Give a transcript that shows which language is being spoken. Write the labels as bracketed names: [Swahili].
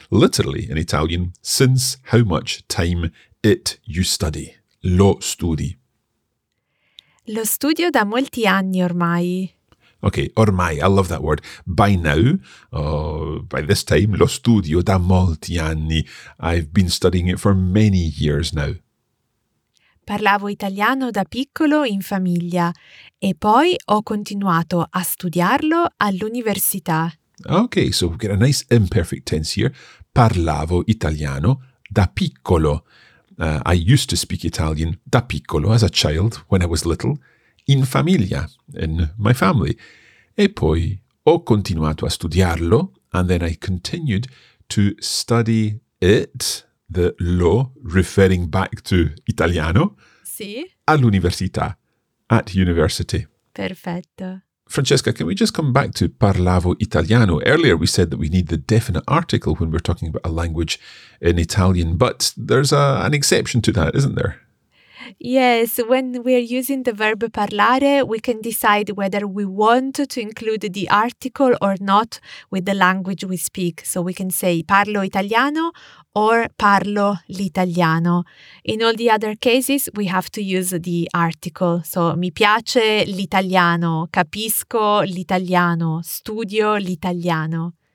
[English] Literally in Italian, since how much time it you study. [Italian] Lo studi. Lo studio da molti anni ormai. [English] Okay, ormai, I love that word. By now, by this time, [Italian] lo studio da molti anni. [English] I've been studying it for many years now. [Italian] Parlavo italiano da piccolo in famiglia e poi ho continuato a studiarlo all'università. [English] Okay, so we've got a nice imperfect tense here. [Italian] Parlavo italiano da piccolo. [English] I used to speak Italian [Italian] da piccolo, [English] as a child, when I was little, [Italian] in famiglia, [English] in my family. [Italian] E poi ho continuato a studiarlo, [English] and then I continued to study it, the lo, referring back to italiano, [Italian] sì. [English] All'università, at university. [Italian] Perfetto. [English] Francesca, can we just come back to [Italian] parlavo italiano? [English] Earlier we said that we need the definite article when we're talking about a language in Italian, but there's an exception to that, isn't there? Yes, when we're using the verb parlare, we can decide whether we want to include the article or not with the language we speak. So we can say [Italian] parlo italiano [English] or [Italian] parlo l'italiano. [English] In all the other cases, we have to use the article. [Italian] So mi piace l'italiano, capisco l'italiano, studio l'italiano.